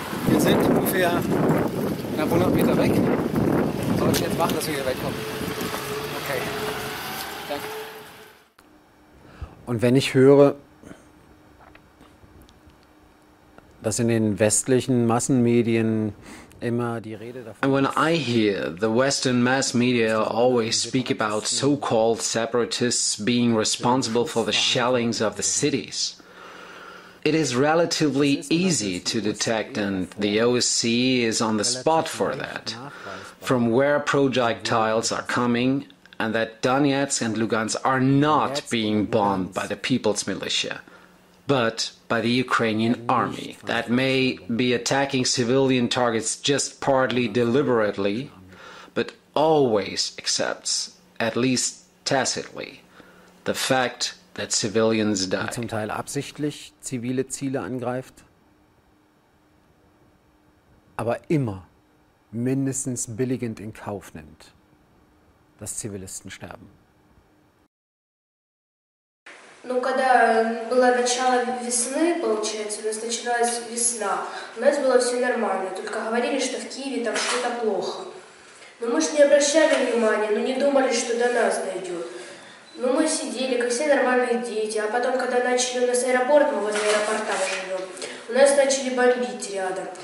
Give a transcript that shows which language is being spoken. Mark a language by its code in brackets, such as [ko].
[de] Wir sind ungefähr 100 Meter weg. Was soll ich jetzt machen, dass wir hier wegkommen? Okay. Und wenn ich höre, dass in den westlichen Massenmedien immer die Rede davon. [en] And when I hear the Western mass media always speak about so-called separatists being responsible for the shellings of the cities, it is relatively easy to detect, and the OSCE is on the spot for that, from where projectiles are coming. And that Donetsk and Lugansk are not being bombed by the People's Militia, but by the Ukrainian army that may be attacking civilian targets just partly deliberately, but always accepts, at least tacitly, the fact that civilians die. [de] Zum Teil absichtlich zivile Ziele angreift, aber immer mindestens billigend in Kauf nimmt, dass Zivilisten sterben. [ru] Ну, когда была начало весны, получается, у нас началась весна, у нас было все нормально, только говорили, что в Киеве там что-то плохо. Но мы же не обращали внимания, но не думали, что до нас дойдет. Но мы сидели, как все нормальные дети, а потом, когда начали у нас аэропорт, мы возле аэропорта живем, у нас начали бомбить рядом.